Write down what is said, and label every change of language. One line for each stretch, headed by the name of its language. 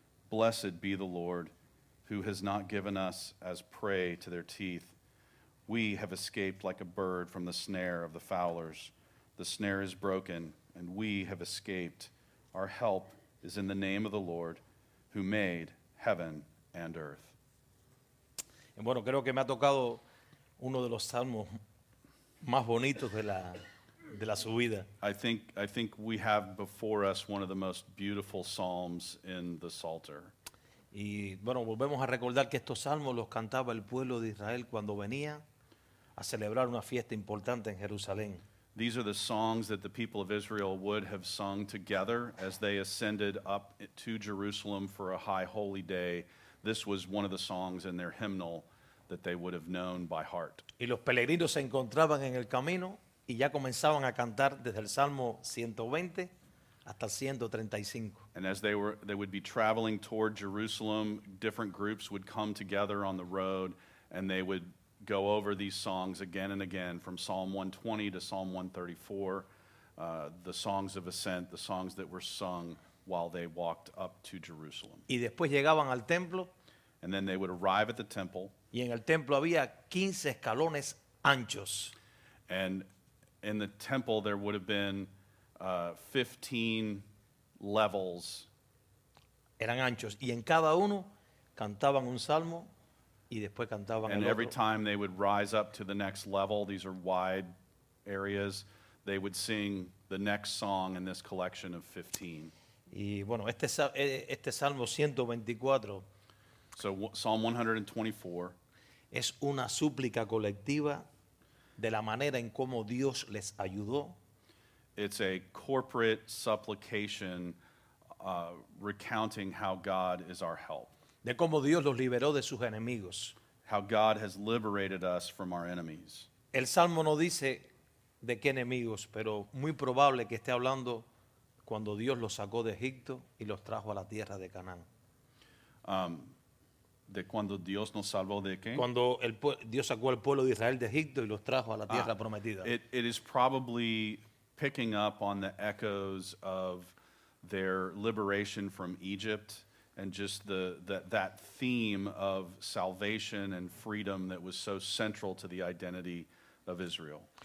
English: Blessed be the Lord, who has not given us as prey to their teeth. We have escaped like a bird from the snare of the fowlers. The snare is broken, and we have escaped. Our help is in the name of the Lord, who made heaven and earth.
Spanish: Bueno, creo que me ha tocado uno de los salmos más bonitos de la subida.
English: I think we have before us one of the most beautiful psalms in the Psalter.
Spanish: Y bueno, volvemos a recordar que estos salmos los cantaba el pueblo de Israel cuando venía a celebrar una fiesta importante en Jerusalén.
English: These are the songs that the people of Israel would have sung together as they ascended up to Jerusalem for a high holy day. This was one of the songs in their hymnal that they would have known by heart.
Spanish: Y los peregrinos se encontraban en el camino y ya comenzaban a cantar desde el Salmo 120 hasta el 135.
English: And as they would be traveling toward Jerusalem, different groups would come together on the road and they would go over these songs again and again from Psalm 120 to Psalm 134, the songs of ascent, the songs that were sung while they walked up to Jerusalem.
Spanish: Y después llegaban al templo.
English: And then they would arrive at the temple.
Spanish: Y en el templo había 15 escalones anchos.
English: And in the temple there would have been 15 levels.
Spanish: Eran anchos. Y en cada uno cantaban un salmo y después cantaban el otro.
English: And every time they would rise up to the next level, these are wide areas, they would sing the next song in this collection of 15.
Spanish: Y bueno, este Salmo 124,
English: so, Psalm 124
Spanish: es una súplica colectiva de la manera en cómo Dios les ayudó.
English: It's a corporate supplication recounting how God is our help.
Spanish: De cómo Dios los liberó de sus enemigos.
English: How God has liberated us from our enemies.
Spanish: El Salmo no dice de qué enemigos, pero muy probable que esté hablando cuando Dios los sacó de Egipto y los trajo a la tierra de Canaán. ¿De cuando Dios nos salvó de qué? Cuando Dios sacó al pueblo de Israel de Egipto y los trajo a la tierra prometida.
English: It is probably picking up on the echoes of their liberation from Egypt, and just that theme of salvation and freedom that was so central to the identity of Israel.